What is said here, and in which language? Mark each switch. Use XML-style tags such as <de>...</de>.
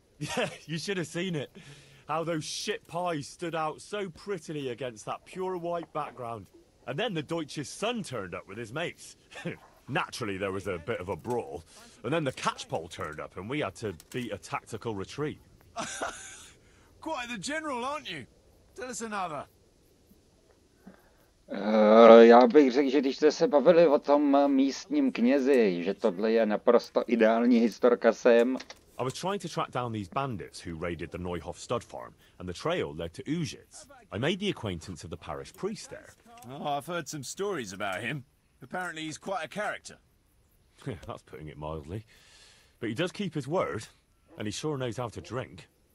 <en>Yeah, you should have seen it. How those shit pies stood out so prettily against that pure white background. And then the Deutsch's son turned up with his mates. Naturally, there was a bit of a brawl. And then the catchpole turned up and we had to beat a tactical retreat. Quite the general, aren't you? Tell us another.</en> <cs>Já bych řekl, že když jste se bavili o tom místním knězi, že tohle je naprosto ideální historka sem.</cs> <en>I was trying to track down these bandits who raided the Neuhof stud farm, and the trail led to Ujitz. I made the acquaintance of the parish priest there. Oh, I've heard some stories about him. Apparently he's quite a character. That's putting it mildly. But he does keep his word, and he sure knows how to drink.</en>